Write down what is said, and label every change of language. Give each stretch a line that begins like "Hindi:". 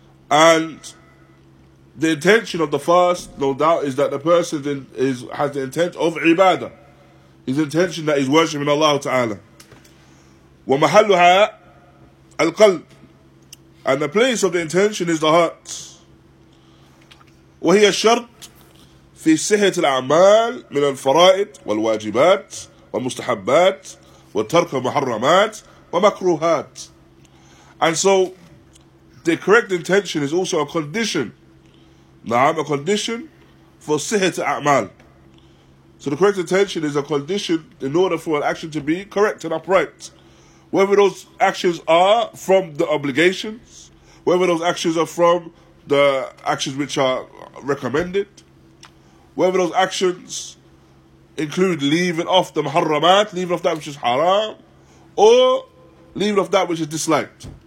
English: And the intention of the fast, no doubt, is that the person has the intent of ibadah, his intention that he's worshipping Allah Ta'ala.
Arabic: Wa mahalluha al-qalb,
English: and the place of the intention is the heart.
Arabic: وهي الشرط في صحة الأعمال من الفرائض والواجبات والمستحبات وترك المحرمات ومكروهات.
English: And so, the correct intention is also a condition.
Arabic: نعم,
English: a condition for
Arabic: صحة الأعمال.
English: So the correct intention is a condition in order for an action to be correct and upright. Whether those actions are from the obligations, whether those actions are from the actions which are recommended, whether those actions include leaving off the muharramat, leaving off that which is haram, or leaving off that which is disliked.